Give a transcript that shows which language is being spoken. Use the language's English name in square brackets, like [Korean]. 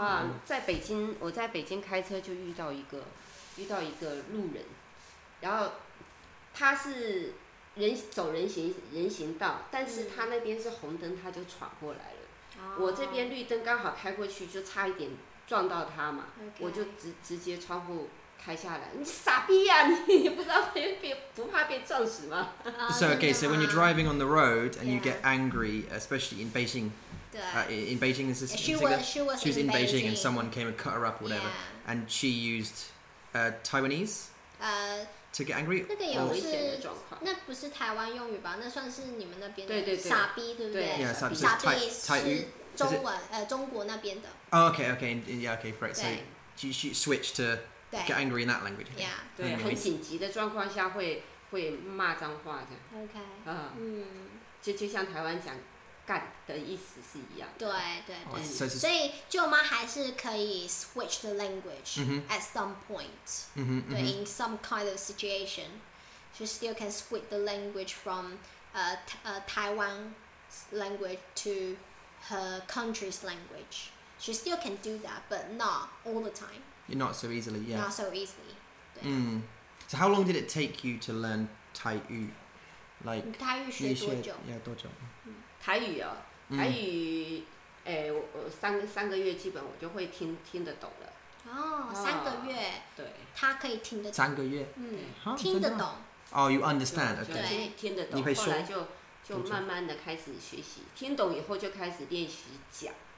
[Chinese] 啊，在北京，我在北京开车就遇到一个路人，然后他是人走人行道，但是他那边是红灯，他就闯过来了。我这边绿灯刚好开过去，就差一点撞到他嘛， [English] okay. [Chinese] 我就直接窗户开下来。你傻逼呀、啊！你不知道不怕被撞死吗 [English] ？So okay, so when you're driving on the road and you get angry, especially in Beijing, in Beijing, this is she was in Beijing and someone came and cut her up or whatever, and she used Taiwanese. To get angry, [Chinese] 那个也不是，那不是台湾用语吧？那算是你们那边的傻逼，对不对？傻逼是中文，中国那边的。 [English] Oh, okay, great. So she switched to get angry in that language. Yeah, [Chinese] 对，很紧急的状况下会骂脏话这样。 [English] OK, [Chinese] 就像台湾讲干的意思是一样的。对对对，所以舅妈还是可以 [English] switch the language at some point. In some kind of situation, she still can switch the language from Taiwan language to her country's language. She still can do that, but not all the time. Not so easily, yeah. Not so easily. So how long did it take you to learn 台语 Like, [Chinese] 你台语学多久？多久？台语哦，台语，我三个月基本我就会听得懂了。哦，三个月，对，他可以听得懂。三个月，听得懂。 [English] 哦、oh, ，you understand， okay. [Chinese] 对，听得懂。后来就慢慢的开始学习，听懂以后就开始练习讲。